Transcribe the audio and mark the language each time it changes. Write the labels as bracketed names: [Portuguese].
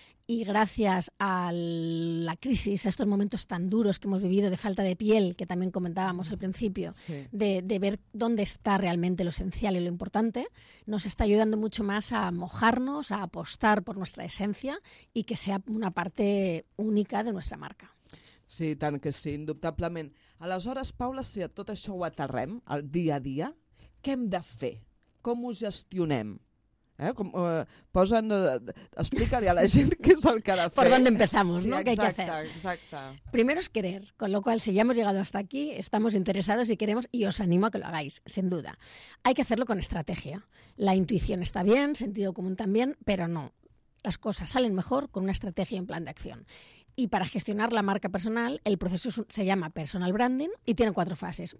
[Spanish] Y gracias a la crisis, a estos momentos tan duros que hemos vivido de falta de piel, que también comentábamos al principio, sí. De ver dónde está realmente lo esencial y lo importante, nos está ayudando mucho más a mojarnos, a apostar por nuestra esencia y que sea una parte única de nuestra marca. [Catalan] Sí, tant que sí, indubtablement. Aleshores, Paula, si a tot això ho aterrem, el dia a dia, què hem de fer? Com ho gestionem? Posen, explica-li a la gent què és el que ha de fer. [Spanish] Per dónde empezamos, sí, ¿no? Exacte, ¿qué hay que hacer? [Catalan] Exacte. [Spanish] Primero es querer, con lo cual, si ya hemos llegado hasta aquí, estamos interesados y queremos, y os animo a que lo hagáis, sin duda. Hay que hacerlo con estrategia. La intuición está bien, sentido común también, pero no. Las cosas salen mejor con una estrategia y un plan de acción. Y para gestionar la marca personal, el proceso se llama personal branding y tiene cuatro fases.